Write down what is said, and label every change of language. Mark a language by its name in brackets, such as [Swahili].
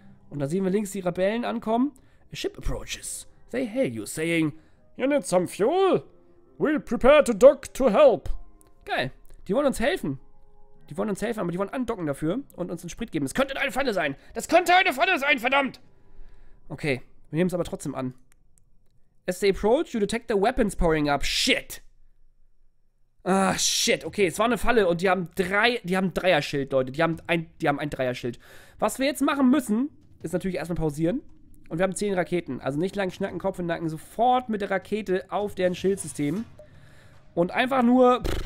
[German] Und da sehen wir links die Rebellen ankommen. [English] A ship approaches. Say hey, you saying, you need some fuel? We'll prepare to dock to help. [German] Geil. Die wollen uns helfen. Die wollen uns helfen, aber die wollen andocken dafür und uns einen Sprit geben. Das könnte eine Falle sein. Das könnte eine Falle sein, verdammt. Okay, wir nehmen es aber trotzdem an. [English] As they approach, you detect the weapons powering up. Shit. Ah, shit. [German] Okay, es war eine Falle und die haben ein Dreierschild, Leute. Die haben ein Dreierschild. Was wir jetzt machen müssen, ist natürlich erstmal pausieren. Und wir haben 10 Raketen. Also nicht lang schnacken, Kopf und Nacken. Sofort mit der Rakete auf deren Schildsystem. Und einfach nur...